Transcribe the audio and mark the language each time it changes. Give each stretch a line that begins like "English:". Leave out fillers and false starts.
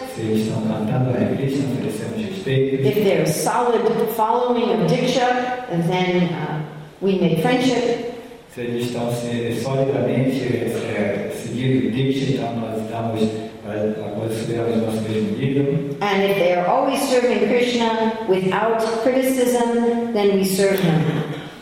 Portuguese: Se eles estão cantando Hare Krishna, oferecemos respeito.
English: If they're solid following of diksha, and then we make friendship.
Portuguese: Se eles estão solidamente seguindo o diksha, então nós damos
English: and if they are always serving Krishna without criticism, then we serve him.